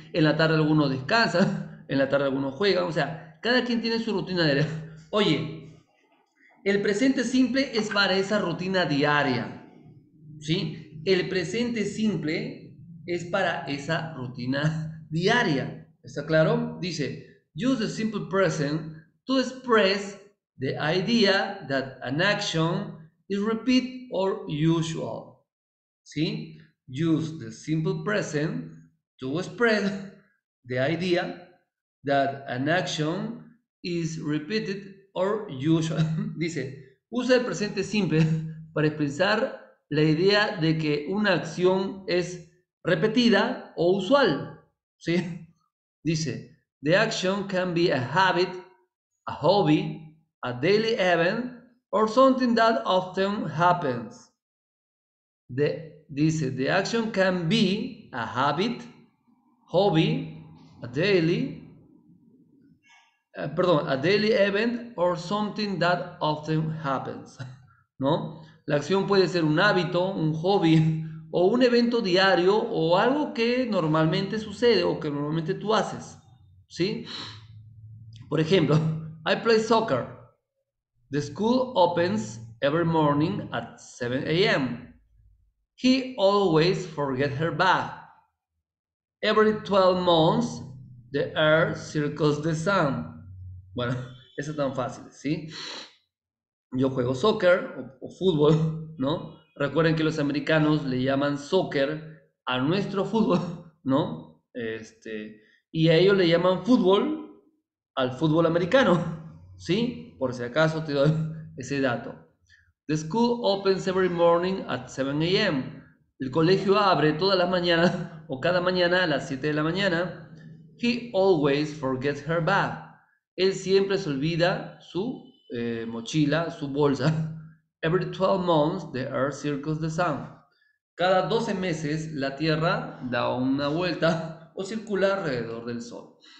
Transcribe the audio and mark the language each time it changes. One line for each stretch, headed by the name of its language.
Spanish: En la tarde algunos descansan, en la tarde algunos juegan, o sea, cada quien tiene su rutina diaria. Oye, el presente simple es para esa rutina diaria, ¿sí? El presente simple es para esa rutina diaria, ¿está claro? Dice,
English: use the simple present to express the idea that an action is repeat or usual. ¿Sí? Use the simple present to spread the idea that an action is repeated or usual.
Spanish: Dice, usa el presente simple para expresar la idea de que una acción es repetida o usual. ¿Sí? Dice,
English: the action can be a habit, a hobby, a daily event, or something that often happens.
Spanish: Dice,
English: the action can be a habit, hobby, a daily, perdón, a daily event or something that often happens.
Spanish: ¿No? La acción puede ser un hábito, un hobby o un evento diario o algo que normalmente sucede o que normalmente tú haces. ¿Sí? Por ejemplo,
English: I play soccer. The school opens every morning at 7 a.m. He always forgets her bag. Every 12 months, the earth circles the sun.
Spanish: Bueno, eso es tan fácil, ¿sí? Yo juego soccer o fútbol, ¿no? Recuerden que los americanos le llaman soccer a nuestro fútbol, ¿no? Y a ellos le llaman fútbol al fútbol americano, ¿sí? Por si acaso te doy ese dato.
English: The school opens every morning at 7 a.m.
Spanish: El colegio abre todas las mañanas o cada mañana a las 7 de la mañana.
English: He always forgets her bag.
Spanish: Él siempre se olvida su mochila, su bolsa.
English: Every 12 months, the earth circles the sun.
Spanish: Cada 12 meses, la Tierra da una vuelta o circula alrededor del Sol.